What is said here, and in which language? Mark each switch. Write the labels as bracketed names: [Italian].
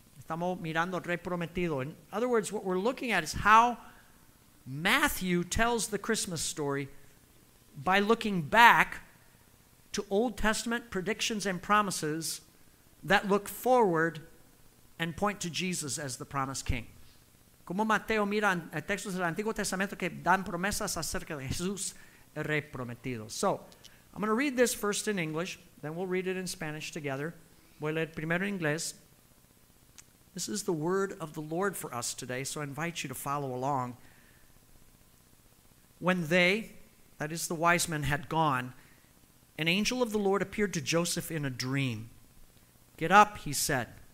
[Spanish] Estamos mirando Rey Prometido. [English] In other words, what we're looking at is how Matthew tells the Christmas story by looking back to Old Testament predictions and promises that look forward and point to Jesus as the promised king. [Spanish] Como Mateo mira textos del Antiguo Testamento que dan promesas acerca de Jesús, el Rey Prometido. [English] So, I'm going to read this first in English, then we'll read it in Spanish together. [Spanish] Voy a leer primero en inglés. [English] This is the word of the Lord for us today, so I invite you to follow along. When they, that is the wise men, had gone, an angel of the Lord appeared to Joseph in a dream. "Get up," he said.